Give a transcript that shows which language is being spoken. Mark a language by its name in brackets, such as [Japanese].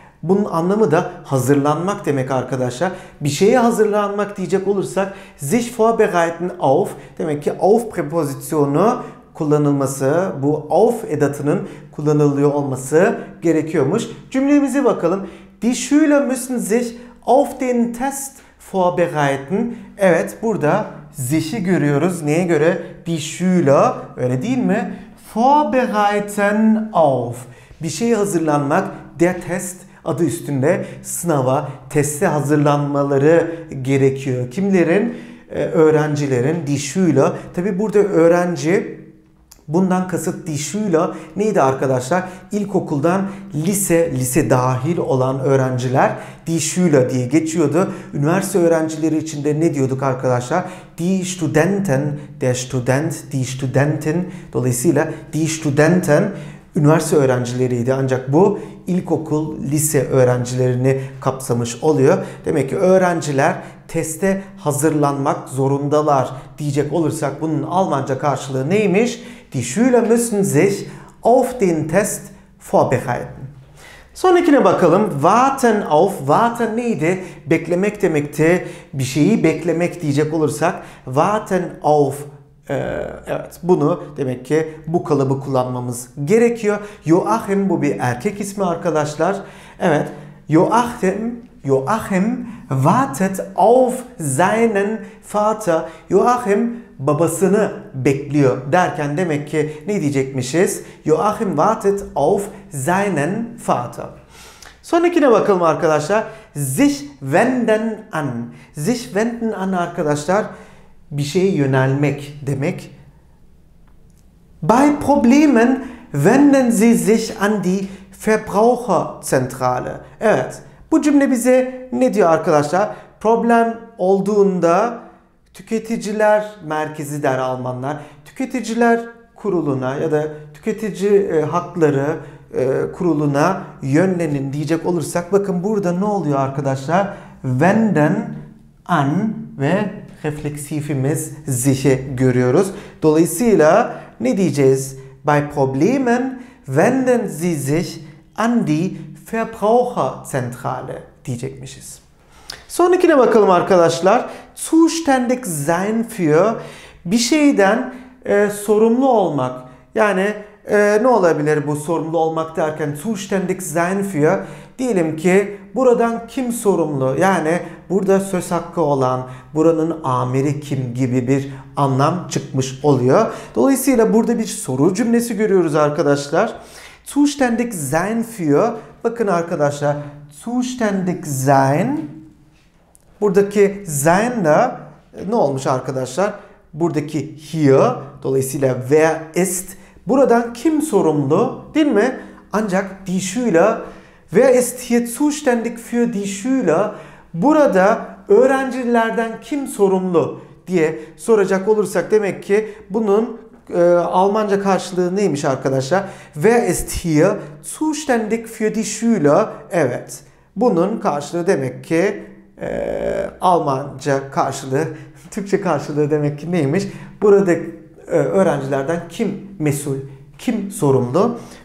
[Turkish] Bunun anlamı da hazırlanmak demek arkadaşlar. Bir şeye hazırlanmak diyecek olursak [German] sich vorbereiten auf, [Turkish] demek ki auf prepozisyonu kullanılması, bu auf edatının kullanılıyor olması gerekiyormuş. Cümlemize bakalım. [German] Die Schüler müssen sich auf den Test vorbereiten. [Turkish] Evet, burada sich'i görüyoruz. Neye göre? Die Schüler, öyle değil mi? Vorbereiten auf. Bir şeye hazırlanmak, der Test adı üstünde, sınava, teste hazırlanmaları gerekiyor. Kimlerin? Öğrencilerin, die Schüler. Tabii burada öğrenci, bundan kasıt die Schüler neydi arkadaşlar? İlkokuldan lise dahil olan öğrenciler die Schüler diye geçiyordu. Üniversite öğrencileri içinde ne diyorduk arkadaşlar? Die Studenten, der Student, die Studentin. Dolayısıyla die Studenten üniversite öğrencileriydi. Ancak bu ilkokul, lise öğrencilerini kapsamış oluyor. Demek ki öğrenciler teste hazırlanmak zorundalar diyecek olursak bunun Almanca karşılığı neymiş? [German] Die Schüler müssen sich auf den Test vorbereiten. [Turkish] Sonrakine bakalım. Warten auf. Warten neydi? Beklemek demekti. Bir şeyi beklemek diyecek olursak. Warten auf. Evet, bunu demek ki bu kalıbı kullanmamız gerekiyor. Joachim, bu bir erkek ismi arkadaşlar. Evet, [German] Joachim wartet auf seinen Vater. [Turkish] Joachim babasını bekliyor derken demek ki ne diyecekmişiz? [German] Joachim wartet auf seinen Vater. [Turkish] Sonrakine bakalım arkadaşlar. Sich wenden an. Sich wenden an arkadaşlar, bir şeye yönelmek demek. [German] Bei Problemen wenden Sie sich an die Verbraucherzentrale. [Turkish] Evet. Bu cümle bize ne diyor arkadaşlar? Problem olduğunda tüketiciler merkezi der Almanlar. Tüketiciler kuruluna ya da tüketici hakları kuruluna yönlenin diyecek olursak, bakın burada ne oluyor arkadaşlar? Wenden an ve refleksifimiz sich'i görüyoruz. Dolayısıyla ne diyeceğiz? [German] Bei Problemen wenden Sie sich an die Verbraucherzentrale [Turkish] diyecekmişiz. Sonrakine bakalım arkadaşlar. Zuständig sein für, bir şeyden sorumlu olmak. Yani ne olabilir bu sorumlu olmak derken? Zuständig sein für, diyelim ki buradan kim sorumlu? Yani burada söz hakkı olan, buranın amiri kim gibi bir anlam çıkmış oluyor. Dolayısıyla burada bir soru cümlesi görüyoruz arkadaşlar. Zuständig sein für, bakın arkadaşlar, zuständig sein, buradaki sein de ne olmuş arkadaşlar? Buradaki hier, dolayısıyla [German] wer ist, [Turkish] buradan kim sorumlu değil mi? Ancak die Schüler, [German] wer ist hier zuständig für die Schüler, [Turkish] burada öğrencilerden kim sorumlu diye soracak olursak, demek ki bunun Almanca karşılığı neymiş arkadaşlar? [German] Wer ist hier zuständig für die Schüler? [Turkish] Evet. Bunun karşılığı demek ki Almanca karşılığı, Türkçe karşılığı demek ki neymiş? Burada öğrencilerden kim mesul, kim sorumlu?